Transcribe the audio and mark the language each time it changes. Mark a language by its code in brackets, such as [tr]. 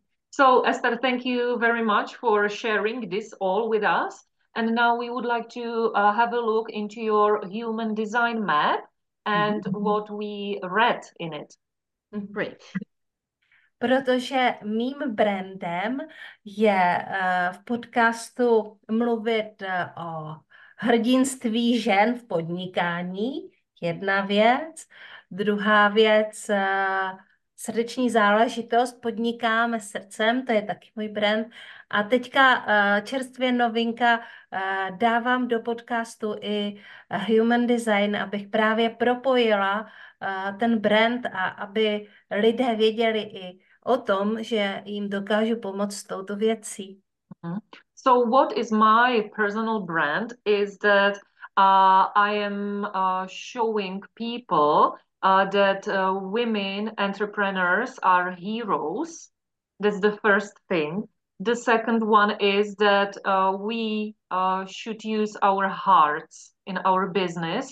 [en] So, Esther, thank you very much for sharing this all with us. And now we would like to have a look into your human design map and what we read in it. Great. [cs] Protože mým brandem je v podcastu mluvit o hrdinství žen v podnikání, jedna věc. Druhá věc srdeční záležitost, podnikáme srdcem, to je taky můj brand. A teďka čerstvě novinka, dávám do podcastu i Human Design, abych právě propojila ten brand a aby lidé věděli i o tom, že jim dokážu pomoct s touto věcí. [en] So what is my personal brand is that I am showing people that women entrepreneurs are heroes. That's the first thing. The second one is that we should use our hearts in our business.